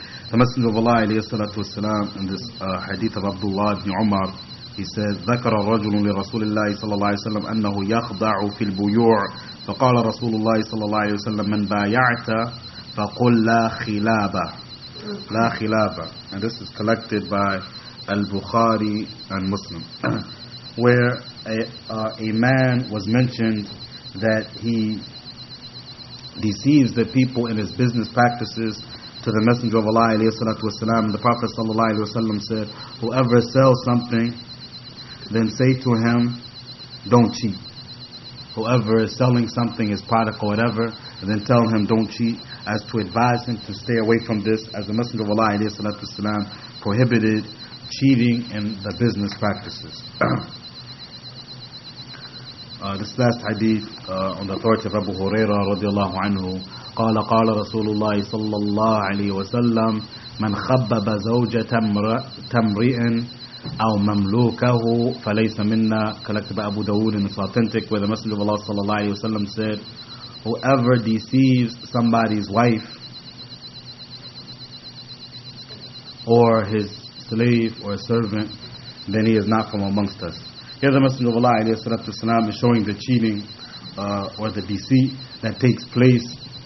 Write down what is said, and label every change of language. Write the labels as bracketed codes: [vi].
[en] The Messenger of Allah alayhi salatu wasalam in this hadith of Abdullah ibn Umar, he said, [ar] ذَكَرَ الرَّجُلٌ لِرَسُولِ اللَّهِ صَلَى اللَّهِ عَلَيْهِ وَسَلَّمَ أَنَّهُ يَخْضَعُ فِي الْبُيُوعِ فَقَالَ رَسُولُ اللَّهِ صَلَى اللَّهِ عَلَيْهِ وَسَلَّمَ مَنْ بَايَعْتَ فَقُلْ لَا خِلَابَ لَا خِلَابَ. [en] And this is collected by Al-Bukhari and Muslim, where a man was mentioned that he deceives the people in his business practices to the Messenger of Allah alayhi salatu wasalam. The Prophet sallallahu alayhi wasalam said, whoever sells something, then say to him, don't cheat. Whoever is selling something, his product or whatever, then tell him, don't cheat, as to advise him to stay away from this, as the Messenger of Allah alayhi salatu wasalam prohibited cheating in the business practices. This last hadith on the authority of Abu Huraira radiallahu anhu, [ar] قال قال رسول الله صلى الله عليه وسلم من خبب زوجة تمرئ أو مملوكه فليس منا. [en] Collected by Abu Dawood, and it's authentic, where the Messenger of Allah صلى الله عليه وسلم said, whoever deceives somebody's wife or his slave or servant, then he is not from amongst us. Here the Messenger of Allah alayhi salatu wasalam is showing the cheating or the deceit that takes place.